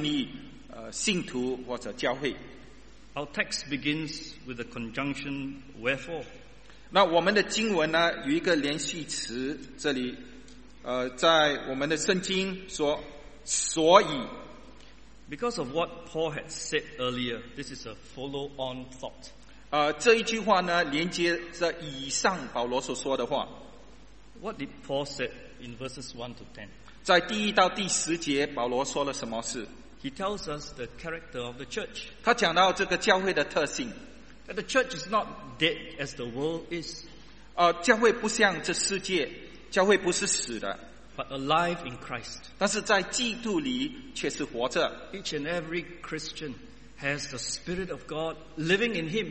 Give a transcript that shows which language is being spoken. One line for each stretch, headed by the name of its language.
Chinese: 第二点呢，就是从第十九节到二十二节，我们要建立信徒或者教会。
English: Our text begins with the conjunction wherefore.
Chinese: 那我们的经文呢，有一个连续词，这里，在我们的圣经说，所以。
English: Because of what Paul had said earlier, this is a follow-on thought.
Chinese: 这一句话呢，连接着以上保罗所说的话。
English: What did Paul said in verses 1 to 10?
Chinese: 在第一到第十节，保罗说了什么事？
English: He tells us the character of the church.
Chinese: 他讲到这个教会的特性。
English: That the church is not dead as the world is.
Chinese: 教会不像这世界，教会不是死的。
English: But alive in Christ.
Chinese: 但是在基督里却是活着。
English: Each and every Christian has the Spirit of God living in him.